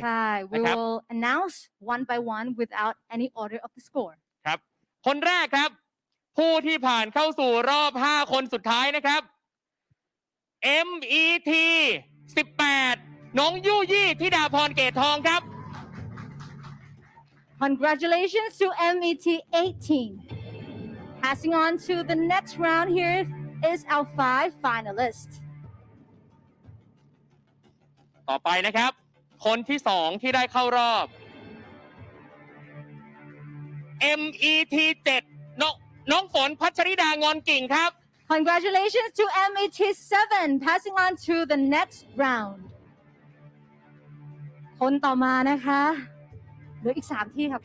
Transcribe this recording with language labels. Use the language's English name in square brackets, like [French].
[Thai] ใช่ [English] we will announce one by one without any order of the score [Thai] ครับคนแรกครับผู้ที่ผ่านเข้าสู่รอบ5คนสุดท้ายนะครับ MET 18น้องยู่ยี่ธิดาพรเกตทองครับ [English] Congratulations to MET 18 Passing on to the next round here is our 5 finalists [Thai] ต่อไปนะครับคนที่2ที่ได้เข้ารอบ MET 7น้องฝนพัชริดางอนกิ่งครับ [English] Congratulations to MET 7 passing on to the next round [Thai] คนต่อมานะคะเหลืออีก3ที่ครับ